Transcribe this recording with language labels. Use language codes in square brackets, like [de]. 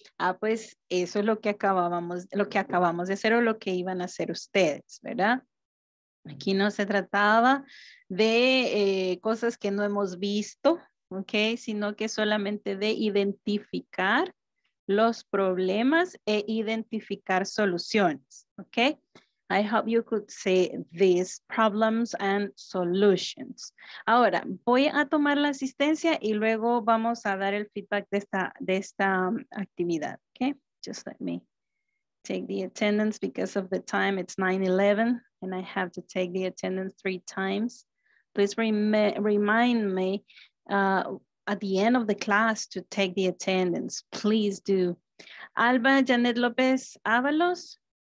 [es] Ah, pues eso es lo que acabamos de hacer o lo que iban a hacer ustedes, ¿verdad? Aquí no se trataba de cosas que no hemos visto, ¿ok? Sino que solamente de identificar los problemas e identificar soluciones, ¿ok? [en] I hope you could say these problems and solutions. [es] Ahora, voy a tomar la asistencia y luego vamos a dar el feedback de esta actividad, ¿ok? [en] Just let me take the attendance because of the time. It's 9:11 and I have to take the attendance 3 times. Please remind me at the end of the class to take the attendance. Please do. Alba Janet López Ábalos.